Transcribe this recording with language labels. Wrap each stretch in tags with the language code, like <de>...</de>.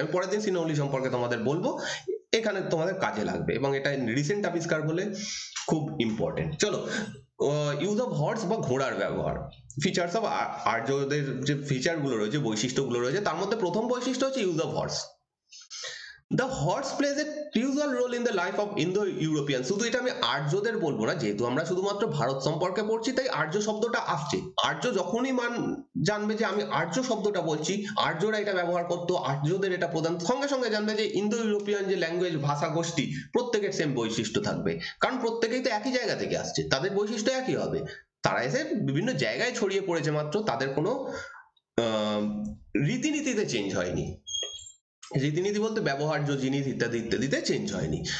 <bn>আমি পরের দিন সিনৌলি সম্পর্কে তোমাদের বলবো, এখানে তোমাদের কাজে লাগবে, এবং এটা রিসেন্ট আবিষ্কার বলে খুব ইম্পর্টেন্ট। চলো, ইউজ অফ হর্স বা ঘোড়ার ব্যবহার, ফিচার্স অফ আর্যদের যে ফিচারগুলো রয়েছে, বৈশিষ্ট্যগুলো রয়েছে, তার মধ্যে প্রথম বৈশিষ্ট্য হচ্ছে use of horse.</bn> <en>The horse plays a crucial role in the life of Indo-European.</en> <bn>শুধু এটা আমি আর্যদের বলবো না, যেহেতু আমরা শুধুমাত্র ভারত সম্পর্কে পড়ছি তাই আর্য শব্দটা আসছে। আর্য যখনই জানবে যে আমি আর্য শব্দটা বলছি, আর্যরা এটা ব্যবহার করতো, আর্যদের এটা প্রধান, সঙ্গে সঙ্গে জানবে যে ইন্দো ইউরোপিয়ান যে ল্যাঙ্গুয়েজ ভাষা গোষ্ঠী প্রত্যেকের সেম বৈশিষ্ট্য থাকবে, কারণ প্রত্যেকেই তো একই জায়গা থেকে আসছে, তাদের বৈশিষ্ট্য একই হবে, তারা এসে বিভিন্ন জায়গায় ছড়িয়ে পড়েছে মাত্র, তাদের কোনো রীতিনীতিতে চেঞ্জ হয়নি, রীতিনীতি বলতে ব্যবহার্য জিনিস ইত্যাদি ইত্যাদিতে চেঞ্জ হয়নি।</bn>